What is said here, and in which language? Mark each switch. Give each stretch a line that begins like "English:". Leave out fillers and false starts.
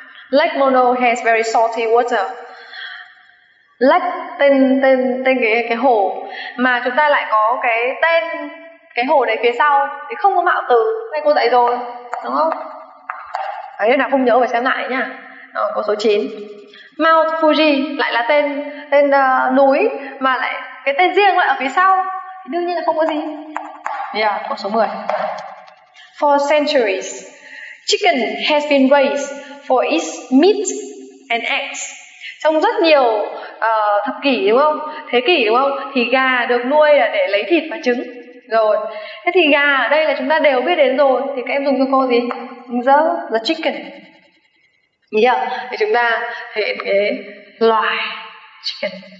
English: Lake Mono has very salty water.
Vietnamese: Lake tên cái hồ mà chúng ta lại có cái tên cái hồ này phía sau thì không có mạo từ, nên cô dạy rồi đúng không? Đấy, nào không nhớ phải xem lại nhá. Câu số 9. Mount Fuji lại là tên núi mà lại cái tên riêng lại ở phía sau thì đương nhiên là không có gì. Yeah, câu số 10.
English: For centuries, chicken has been raised for its meat and eggs.
Vietnamese: Trong rất nhiều thập kỷ đúng không, thế kỷ đúng không, thì gà được nuôi là để lấy thịt và trứng rồi. Thế thì gà ở đây là chúng ta đều biết đến rồi, thì các em dùng cho cô gì?
English: The chicken.
Vietnamese: Yeah, thì chúng ta thể hiện cái loài chicken.